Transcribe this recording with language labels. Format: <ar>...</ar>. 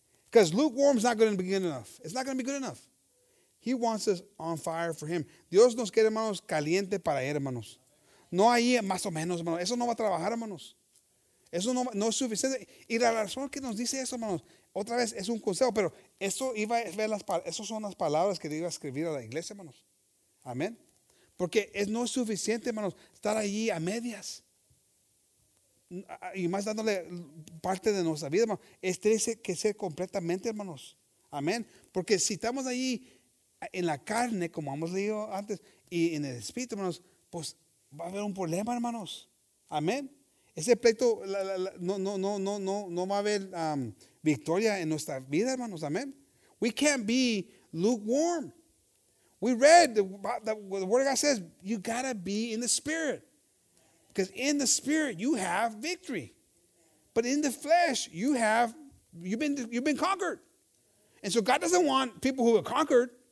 <en>Because lukewarm is not going to be good enough. It's not going to be good enough. He wants us on fire for him.</en> <es>Dios nos quiere, hermanos, caliente para él, hermanos. No hay más o menos, hermanos. Eso no va a trabajar, hermanos. Eso no es suficiente. Y la razón que nos dice eso, hermanos, otra vez es un consejo, pero eso iba a ver las, esas son las palabras que le iba a escribir a la iglesia, hermanos. Amén. Porque es, no es suficiente, hermanos, estar allí a medias. Y más dándole parte de nuestra vida, hermanos. Es triste que ser completamente, hermanos. Amén. Porque si estamos allí en la carne, como hemos leído antes, y en el espíritu, hermanos, pues va a haber un problema, hermanos. Amén. Ese pleito no va a haber victoria en nuestra vida, hermanos.</es> <en>Amén. We can't be lukewarm. We read the word of God says you gotta be in the spirit, because in the spirit you have victory, but in the flesh you've been conquered, and so God doesn't want people who are conquered.</en>